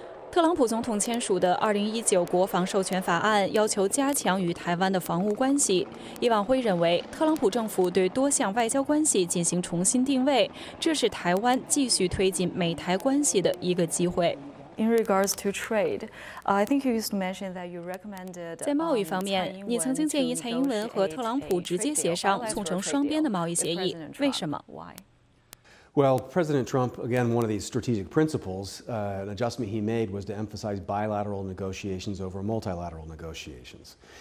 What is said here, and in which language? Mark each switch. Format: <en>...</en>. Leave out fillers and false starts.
<zh>特朗普总统签署的2019国防授权法案要求加强与台湾的防务关系。叶望辉认为，特朗普政府对多项外交关系进行重新定位，这是台湾继续推进美台关系的一个机会。</zh> <en>In regards to trade, I think you used to mention that you recommended.</en> <zh>在贸易方面，你曾经建议蔡英文和特朗普直接协商，促成双边的贸易协议。为什么</zh> <en>？Why? Well, President Trump, again, one of these strategic principles, an adjustment he made was to emphasize bilateral negotiations over multilateral negotiations.</en>